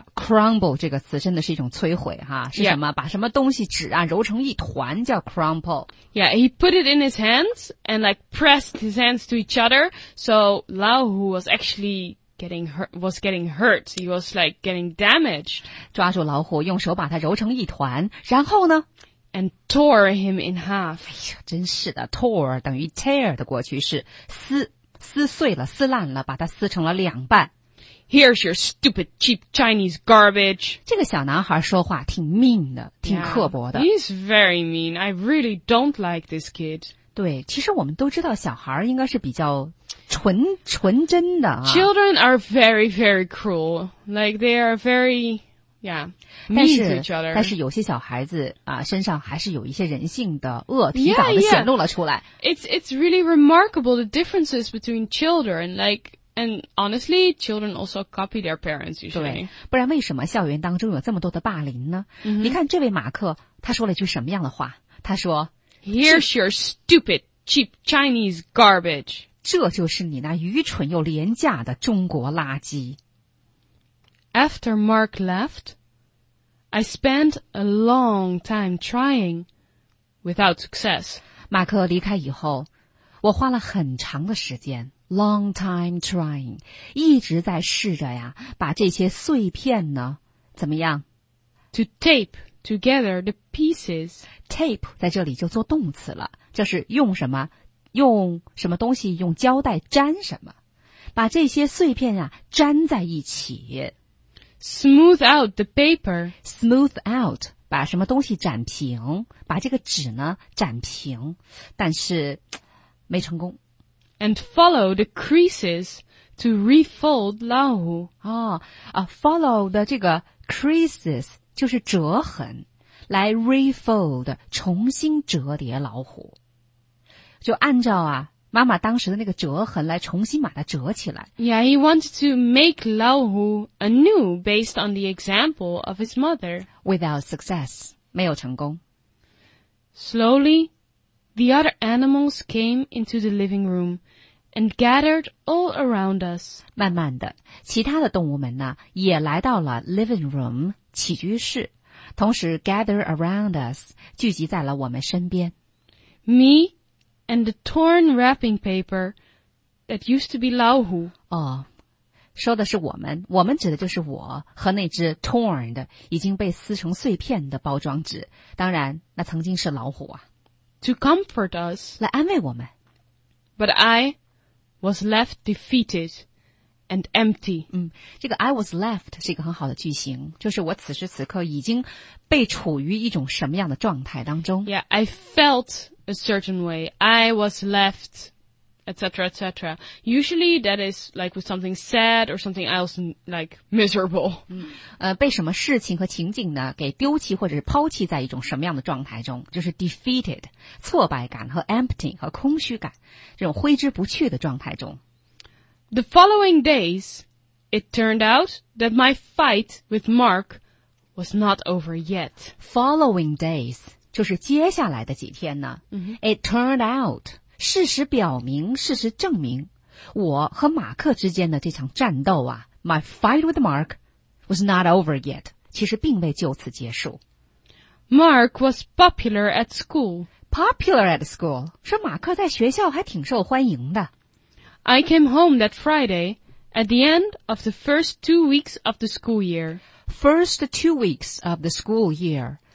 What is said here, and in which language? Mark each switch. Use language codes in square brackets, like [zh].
[zh] Crumble 这个词真的是一种摧毁哈、啊、是什么、yeah. 把什么东西纸啊揉成一团叫 crumple. [en] Yeah, he put it in his hands and like pressed his hands to each other. So, 老虎 was actually getting hurt. He was like getting damaged. [zh] 抓住老虎用手把它揉成一团然后呢 [en] And tore him in half. [zh] 哎呀真是的 tore 等于 tear 的过去式撕。撕碎了撕烂了把它撕成了两半 [en] Here's your stupid cheap Chinese garbage [zh] 这个小男孩说话挺 mean 的挺刻薄的 [en] yeah, He's very mean I really don't like this kid [zh] 对其实我们都知道小孩应该是比较纯真的、啊、 [en] Children are very very cruel Like they are very Yeah, mean to each other. [zh] 但是有些小孩子、身上还是有一些人性的恶提早的显露了出来。 [en] Yeah, yeah. It's really remarkable the differences between children. Like, and honestly, children also copy their parents usually. [zh] 对，不然为什么校园当中有这么多的霸凌呢？ Mm-hmm. 你看这位马克，他说了一句什么样的话？他说 [en] Here's your stupid cheap Chinese garbage. [zh] 这就是你那愚蠢又廉价的中国垃圾。 [en] After Mark left, I spent a long time trying without success. [zh] 马克离开以后，我花了很长的时间 [en] long time trying, [zh] 一直在试着呀，把这些碎片呢，怎么样？ [en] To tape together the pieces. [zh] Tape 在这里就做动词了，就是用什么，用什么东西，用胶带粘什么，把这些碎片呀粘在一起。 [en] Smooth out the paper. [zh] Smooth out, 把什么东西展平，把这个纸呢展平，但是没成功。 [en] And follow the creases to refold 老虎。 [zh] Follow 的这个 creases 就是折痕，来 refold, 重新折叠老虎。就按照啊妈妈当时的那个折痕来重新把它折起来。 [en] Yeah, he wanted to make 老虎 anew based on the example of his mother. Without success, [zh] 没有成功。 [en] Slowly,The other animals came into the living room and gathered all around us. [zh] 慢慢的，其他的动物们呢，也来到了 [en] living room, [zh] 起居室，同时 [en] gather around us, [zh] 聚集在了我们身边。 [en] Me and the torn wrapping paper that used to be 老虎。 [zh] 哦，说的是我们，我们指的就是我和那只 torn 的，已经被撕成碎片的包装纸，当然，那曾经是老虎啊。 [en] To comfort us, [zh] 来安慰我们。 [en] But I was left defeated and empty. [zh] 这个 [en] I was left [zh] 是一个很好的句型，就是我此时此刻已经被处于一种什么样的状态当中。 [en] Yeah, I felt a certain way. I was left, etc, etc. Usually that is like with something sad or something else like miserable. [zh] 被什么事情和情境呢给丢弃或者是抛弃在一种什么样的状态中，就是 defeated, 挫败感和 empty 和空虚感，这种挥之不去的状态中。 [en] The following days, it turned out that my fight with Mark was not over yet. Following days, [zh] 就是接下来的几天呢、 mm-hmm. [en] It turned out, [zh] 事实表明，事实证明，我和马克之间的这场战斗啊 ， [en] my fight with Mark was not over yet， [zh] 其实并未就此结束。 [en] Mark was popular at school. Popular at school， [zh] 说马克在学校还挺受欢迎的。 [en] I came home that Friday at the end of the first 2 weeks of the school year. First 2 weeks of the school year.